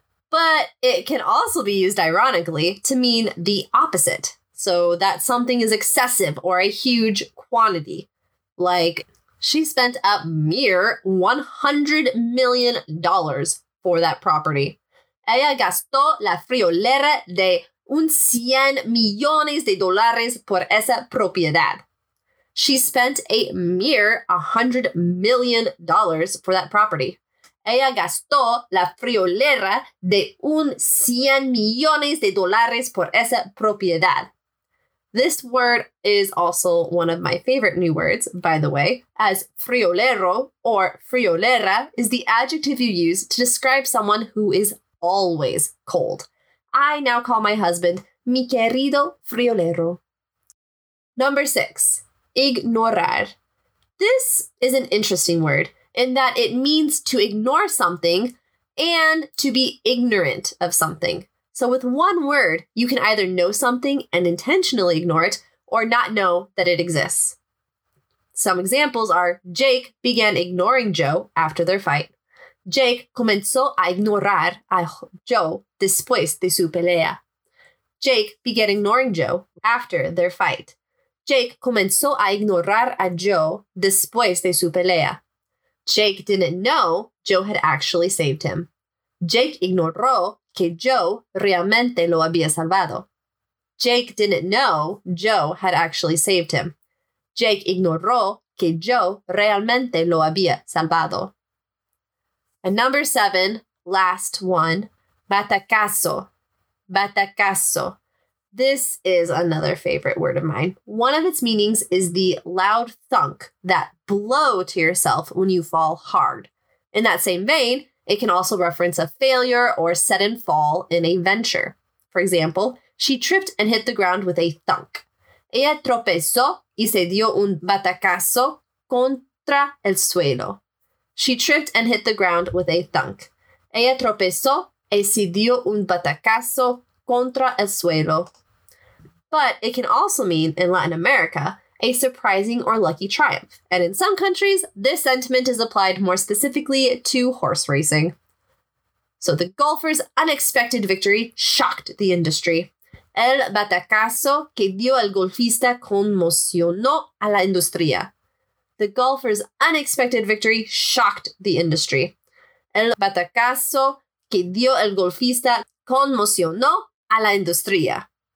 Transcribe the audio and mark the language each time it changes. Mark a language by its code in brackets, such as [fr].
[en] But it can also be used ironically to mean the opposite, so that something is excessive or a huge quantity. Like, she spent a mere $100 million for that property. [es] Ella gastó la friolera de un 100 millones de dólares por esa propiedad. [en] She spent a mere $100 million for that property. [es] Ella gastó la friolera de un 100 millones de dólares por esa propiedad. [en] This word is also one of my favorite new words, by the way, as friolero or friolera is the adjective you use to describe someone who is always cold. I now call my husband [es] mi querido friolero. [en] Number 6. Ignorar. This is an interesting word in that it means to ignore something and to be ignorant of something. So with one word, you can either know something and intentionally ignore it or not know that it exists. Some examples are Jake began ignoring Joe after their fight. [es] Jake comenzó a ignorar a Joe después de su pelea. [en] Jake began ignoring Joe after their fight. [es] Jake comenzó a ignorar a Joe después de su pelea. [en] Jake didn't know Joe had actually saved him. [es] Jake ignoró que Joe realmente lo había salvado. [en] Jake didn't know Joe had actually saved him. [es] Jake ignoró que Joe realmente lo había salvado. [en] And number 7, last one, batacazo. Batacazo. This is another favorite word of mine. One of its meanings is the loud thunk, that blow to yourself when you fall hard. In that same vein, it can also reference a failure or sudden fall in a venture. For example, she tripped and hit the ground with a thunk. [es] Ella tropezó y se dio un batacazo contra el suelo. [en] She tripped and hit the ground with a thunk. [es] Ella tropezó y se dio un batacazo contra el suelo. [en] But it can also mean, in Latin America, a surprising or lucky triumph. And in some countries, this sentiment is applied more specifically to horse racing. So the golfer's unexpected victory shocked the industry. [es] El batacazo que dio al golfista conmocionó a la industria. [en] The golfer's unexpected victory shocked the industry. [es] El batacazo que dio el golfista conmocionó a la industria.